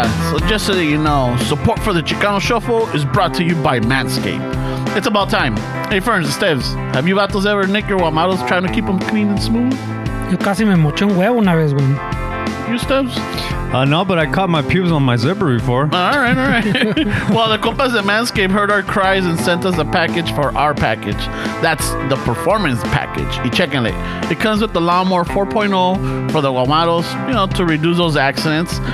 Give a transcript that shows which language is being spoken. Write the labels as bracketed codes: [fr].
[en] So just so that you know, support for the Chicano Shuffle is brought to you by Manscaped. It's about time. Hey, Ferns and Steves, have you vatos ever nicked your guamados trying to keep them clean and smooth? [es] Yo casi me moché un huevo una vez, güey. [en] You, Steves? No, but I caught my pubes on my zipper before. All right. Well, the compas at Manscaped heard our cries and sent us a package for our package. That's the performance package. [es] Y chequenle. [en] It comes with the Lawnmower 4.0 for the guamados, you know, to reduce those accidents.